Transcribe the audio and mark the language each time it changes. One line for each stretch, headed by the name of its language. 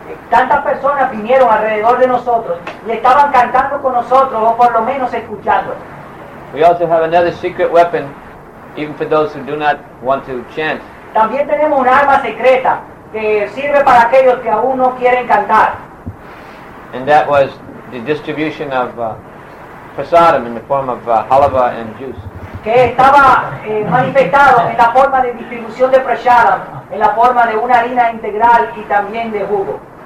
Spanish: Tantas personas vinieron alrededor de nosotros y estaban cantando con nosotros o por lo menos escuchando.
English: We also have another secret weapon, even for those who do not want to chant.
Spanish: También tenemos un arma secreta que sirve para aquellos que aún no quieren cantar.
English: And that was the distribution of prasadam in the form of halava and juice.
Spanish: Que estaba manifestado en la forma de distribución de prasadam, en la forma de una harina integral y también de jugo.